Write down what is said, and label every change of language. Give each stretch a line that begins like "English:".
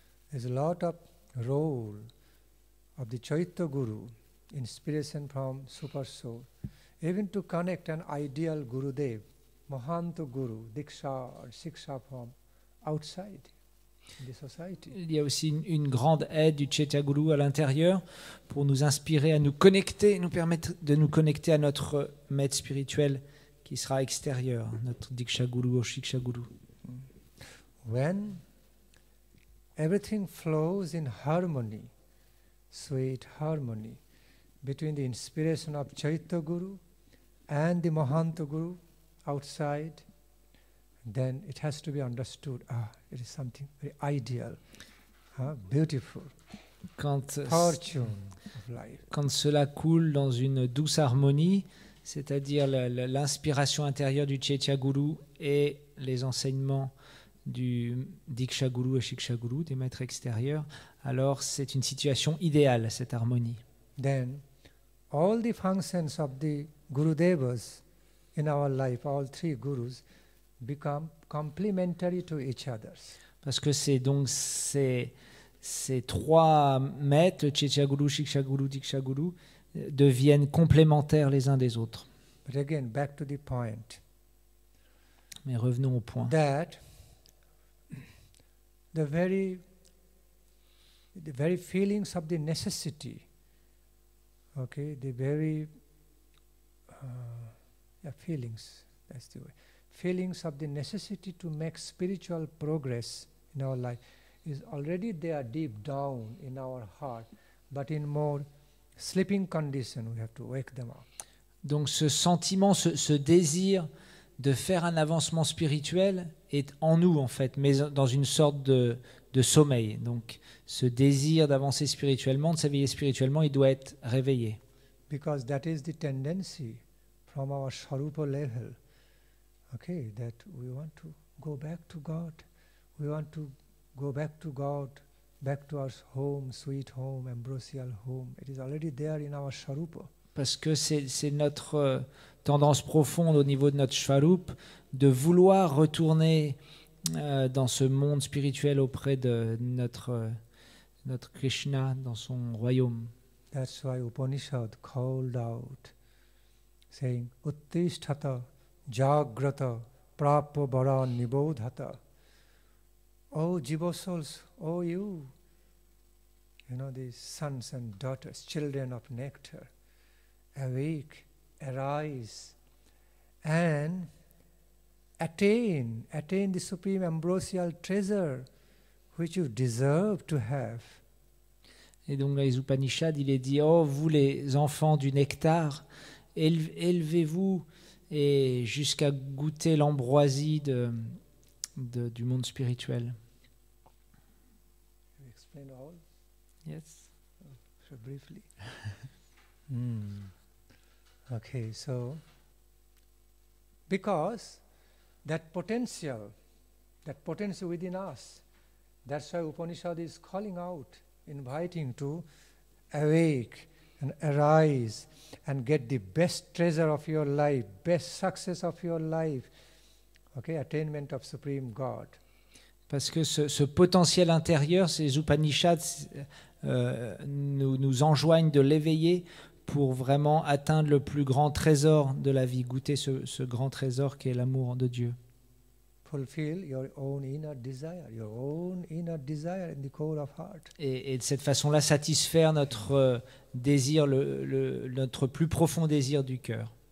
English: There's a lot of role of the Chaitanya Guru, inspiration from super soul, even to connect an ideal Gurudev, Mahanta Guru, Diksha or Siksha from outside the society.
French: Il y a aussi une grande aide du Chaitanya Guru à l'intérieur pour nous inspirer à nous connecter, nous permettre de nous connecter à notre maître spirituel qui sera extérieur, notre Diksha Guru ou Siksha Guru.
English: When everything flows in harmony, sweet harmony, between the inspiration of Chaitanya Guru and the Mahanta Guru outside, then it has to be understood, it is something very ideal, beautiful, fortune of life.
French: Quand cela coule dans une douce harmonie, c'est-à-dire l'inspiration intérieure du Chaitanya Guru et les enseignements du Diksha Guru et Siksha Guru, des maîtres extérieurs, alors c'est une situation idéale, cette harmonie.
English: Then, all the functions of the Gurudevas in our life, all three gurus, become complementary to each other.
French: Parce que c'est donc ces trois maîtres, Chaitanya Guru, Siksha Guru, Diksha Guru, deviennent complémentaires les uns des autres.
English: But again, back to the point.
French: Mais revenons au point.
English: That the very feelings of the necessity, okay, the very feelings, that's the way, feelings of the necessity to make spiritual progress in our life is already there deep down in our heart, but in more sleeping condition we have to wake them up.
French: Donc ce sentiment, ce désir de faire un avancement spirituel est en nous en fait, mais dans une sorte de sommeil. Donc ce désir d'avancer spirituellement, de s'éveiller spirituellement, il doit être réveillé.
English: Because that is the tendency from our Swarupa level, okay, that we want to go back to God, we want to go back to God, back to our home, sweet home, ambrosial home. It is already there in our Swarupa.
French: Parce que c'est notre tendance profonde au niveau de notre Swarup de vouloir retourner dans ce monde spirituel auprès de notre Krishna dans son royaume.
English: That's why Upanishad called out, saying,
Sanskrit: "Uttishtata jagrata prapo bara nibodhata.
English: Oh, jiva souls, oh you, you know, these sons and daughters, children of nectar, awake, arise, and attain the supreme ambrosial treasure which you deserve to have.
French: Et donc les Upanishads, il est dit, oh, vous les enfants du nectar, élevez-vous et jusqu'à goûter l'ambroisie du monde spirituel.
English: You explain all? Yes. So briefly. Okay, so because that potential within us, that's why Upanishad is calling out, inviting to awake and arise and get the best treasure of your life, best success of your life, okay, attainment of Supreme God.
French: Parce que ce potentiel intérieur, ces Upanishads nous enjoignent de l'éveiller pour vraiment atteindre le plus grand trésor de la vie, goûter ce grand trésor qui est l'amour de Dieu.
English: Fulfill your own inner desire in the core of heart.
French: Et de cette façon-là, satisfaire notre désir, notre plus profond désir du cœur.